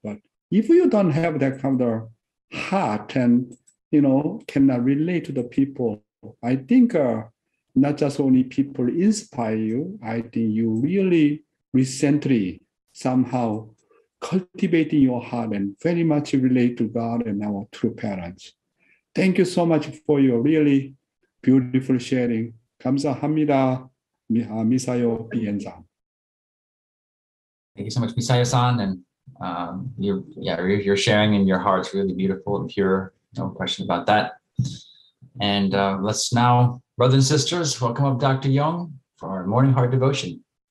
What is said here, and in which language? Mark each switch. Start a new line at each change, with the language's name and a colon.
English: But if you don't have that kind of heart and, you know, cannot relate to the people, I think not just only people inspire you, I think you really recently somehow cultivating your heart and very much relate to God and our true parents. Thank you so much for your really beautiful sharing.
Korean: 감사합니다, 미사요 비엔장.
English: Thank you so much, Misayo-san. And your sharing and your heart's really beautiful and pure. No question about that. And let's now, brothers and sisters, welcome up Dr. Yong for our morning heart devotion.